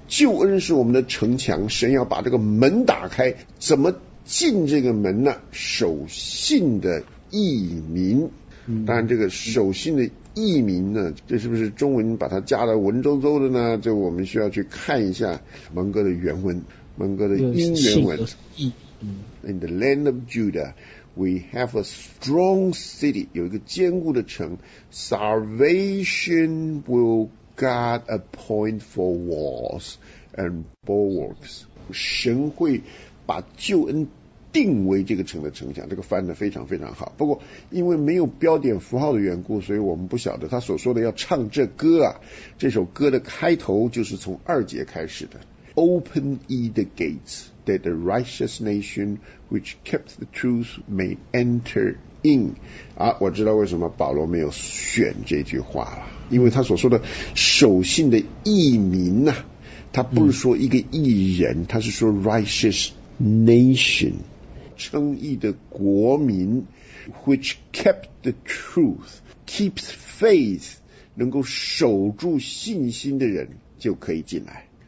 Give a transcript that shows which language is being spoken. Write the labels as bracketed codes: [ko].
[zh] 救恩是我们的城墙，神要把这个门打开，怎么进这个门呢？守信的义民。当然，这个守信的义民呢，这是不是中文把它加了文绉绉的呢？这我们需要去看一下蒙哥的原文，蒙哥的英原文。 [en] In the land of Judah, we have a strong city, [zh] 有一个坚固的城。 [en] Salvation will God appoint for walls and bulwarks. [zh] 神会把救恩定为这个城的城墙，这个翻得非常非常好。不过因为没有标点符号的缘故，所以我们不晓得他所说的要唱这歌啊，这首歌的开头就是从二节开始的。 [en] Open ye the gates, that the righteous nation which kept the truth may enter in. [zh] 啊，我知道为什么保罗没有选这句话了，因为他所说的守信的义民呐、他不是说一个义人，他是说 [en] righteous nation, [zh] 称义的国民 ， [en] which kept the truth, keeps faith, [zh] 能够守住信心的人就可以进来。